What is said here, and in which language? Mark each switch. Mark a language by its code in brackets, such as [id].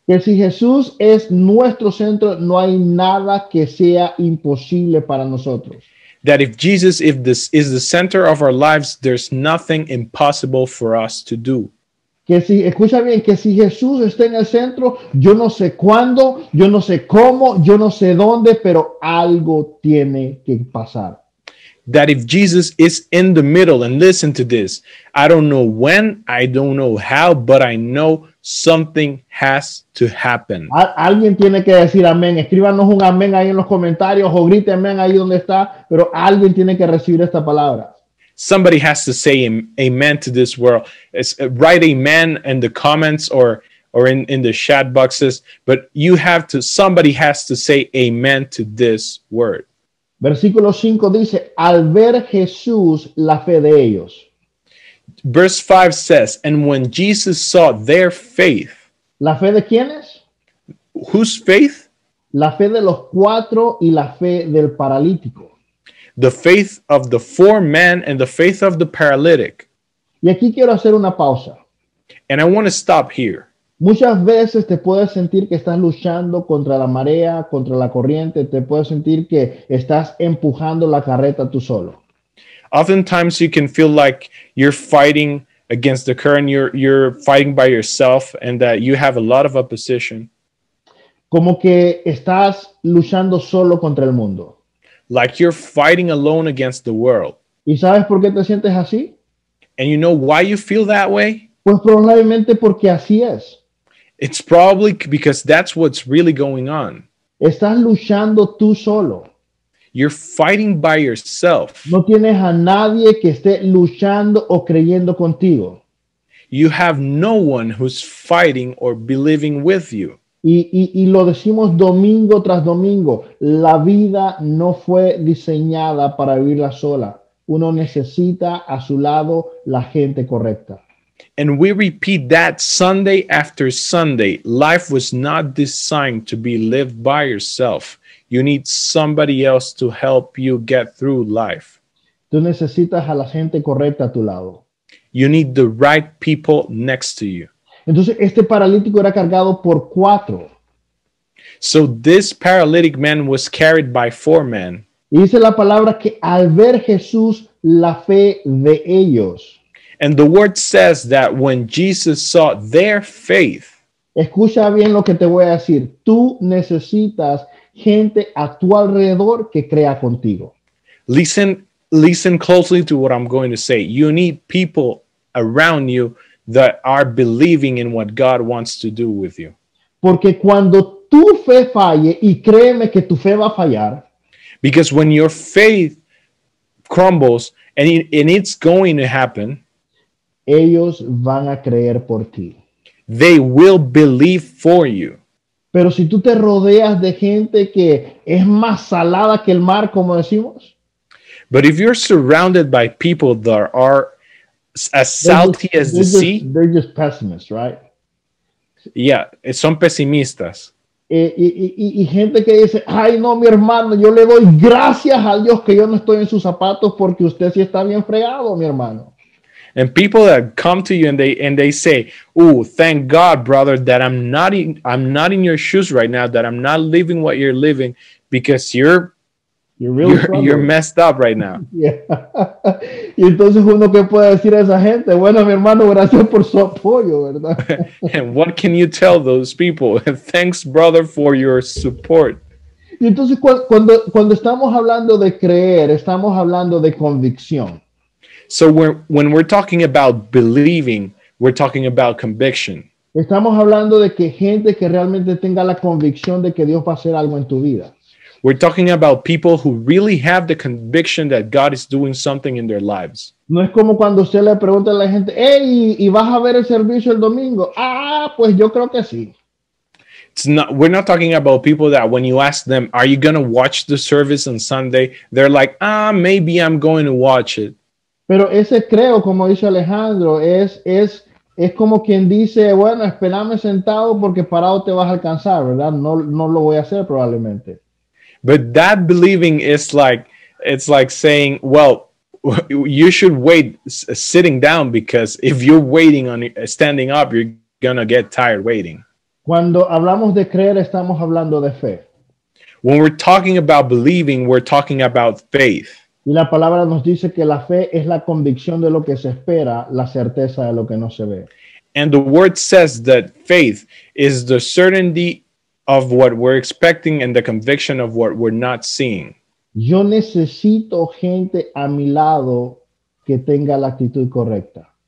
[es] Que si Jesús es nuestro centro, no hay nada que sea imposible para nosotros. [en] That if Jesus is the center of our lives, there's nothing impossible for us to do. [es] Que si, escucha bien, que si Jesús está en el centro, yo no sé cuándo, yo no sé cómo, yo no sé dónde, pero algo tiene que pasar. [en] That if Jesus is in the middle, and listen to this, I don't know when, I don't know how, but I know something has to happen. [es] Alguien tiene que decir amén. Escríbanos un amén ahí en los comentarios o grite amén ahí donde está, pero alguien tiene que recibir esta palabra. [en] Somebody has to say amen to this world. Write amen in the comments or in the chat boxes, but somebody has to say amen to this word. [es] Versículo 5 dice, al ver Jesús la fe de ellos. [en] Verse 5 says, and when Jesus saw their faith. [es] ¿La fe de quiénes? [en] Whose faith? [es] La fe de los cuatro y la fe del paralítico. [en] The faith of the four men and the faith of the paralytic. [es] Y aquí quiero hacer una pausa. [en] And I want to stop here. [es] Muchas veces te puedes sentir que estás luchando contra la marea, contra la corriente. Te puedes sentir que estás empujando la carreta tú solo. [en] Oftentimes you can feel like you're fighting against the current. You're fighting by yourself and that you have a lot of opposition. [es] Como que estás luchando solo contra el mundo. [en] Like you're fighting alone against the world. [es] ¿Y sabes por qué te sientes así? [en] And you know why you feel that way? [es] Pues probablemente porque así es. [en] It's probably because that's what's really going on. [es] Estás luchando tú solo. [en] You're fighting by yourself. [es] No tienes a nadie que esté luchando o creyendo contigo. [en] You have no one who's fighting or believing with you. [es] Y lo decimos domingo tras domingo. La vida no fue diseñada para vivirla sola. Uno necesita a su lado la gente correcta. [en] And we repeat that Sunday after Sunday. Life was not designed to be lived by yourself. You need somebody else to help you get through life. [es] Tú necesitas a la gente correcta a tu lado. [en] You need the right people next to you. [es] Entonces, este paralítico era cargado por cuatro. [en] So this paralytic man was carried by four men. [es] Y dice la palabra que al ver Jesús, la fe de ellos. [en] And the word says that when Jesus saw their faith. [es] Escucha bien lo que te voy a decir. Tú necesitas gente a tu alrededor que crea contigo. [en] Listen closely to what I'm going to say. You need people around you that are believing in what God wants to do with you. [es] Porque cuando tu fe falle, y créeme que tu fe va a fallar. [en] Because when your faith crumbles and it's going to happen. [es] ellos van a creer por ti. [en] They will believe for you. [es] Pero si tú te rodeas de gente que es más salada que el mar, como decimos. [en] But if you're surrounded by people that are as salty as the sea. They're just pessimists, right? Yeah, [es] son pesimistas. Y gente que dice, ay no, mi hermano, yo le doy gracias a Dios que yo no estoy en sus zapatos porque usted sí está bien fregado, mi hermano. [en] And people that come to you and they say, oh, thank God, brother, that I'm not in your shoes right now, that I'm not living what you're living, because you're messed up right now. Yeah. [es] Y entonces uno que puede decir a esa gente, bueno, mi hermano, gracias por su apoyo, ¿verdad? [en] And what can you tell those people? Thanks, brother, for your support. [es] Y entonces cuando estamos hablando de creer, estamos hablando de convicción. [en] So when we're talking about believing, we're talking about conviction. [es] Estamos hablando de que gente que realmente tenga la convicción de que Dios va a hacer algo en tu vida. [en] We're talking about people who really have the conviction that God is doing something in their lives. [es] No es como cuando usted le pregunta a la gente, hey, ¿y vas a ver el servicio el domingo? Ah, pues yo creo que sí. [en] We're not talking about people that when you ask them, are you going to watch the service on Sunday? They're like, ah, maybe I'm going to watch it. [es] Pero ese creo, como dice Alejandro, es como quien dice, bueno, espérame sentado porque parado te vas a alcanzar, ¿verdad? No lo voy a hacer probablemente. [en] But that believing is like, it's like saying, well, you should wait sitting down, because if you're waiting on standing up, you're going to get tired waiting. [es] Cuando hablamos de creer, estamos hablando de fe. [en] When we're talking about believing, we're talking about faith. [es] Y la palabra nos dice que la fe es la convicción de lo que se espera, la certeza de lo que no se ve. [en] And the word says that faith is the certainty of what we're expecting and the conviction of what we're not seeing. [es] Yo necesito gente a mi lado que tenga la actitud correcta.